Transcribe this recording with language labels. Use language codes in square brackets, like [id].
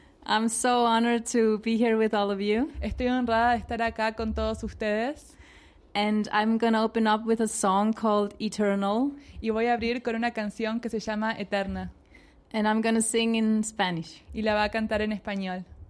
[en] I'm so honored to be here with all of you. [es] Estoy honrada de estar acá con todos ustedes. [en] And I'm gonna open up with a song called Eternal. [es] Y voy a abrir con una canción que se llama Eterna. [en] And I'm gonna sing in Spanish. [es] Y la va a cantar en español.